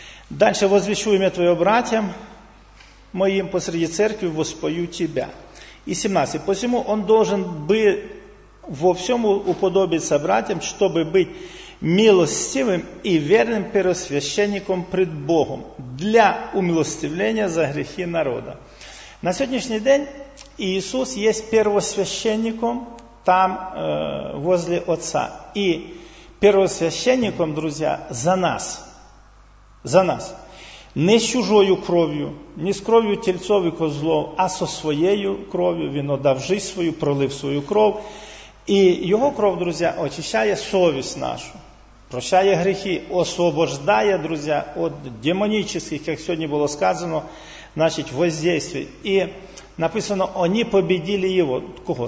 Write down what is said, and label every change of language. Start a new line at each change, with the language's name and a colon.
Russian: Далі возвещу ім'я Твоє братям моїм посреди церкви, воспою Тебя.
Ukrainian: І 17.
Russian: Посему он должен би во всьому уподобиться братям,
Ukrainian: щоб бути
Russian: милостивым и верным первосвященником пред Богом для умилостивления за грехи народа. На сегодняшний день Иисус есть первосвященником там, возле Отца. И первосвященником, друзья, за нас. За нас. Не с чужою кровью, не с кровью тельцов и козлов, а со своєю кровью.
Ukrainian: Він
Russian: отдав жизнь свою,
Ukrainian: пролив свою кров. І його кров, друзі, очищає совість нашу. Прощає гріхи, освобождає, друзі, від демонічних, як сьогодні було сказано, значить, воздействий. І написано, вони побідили його, кого?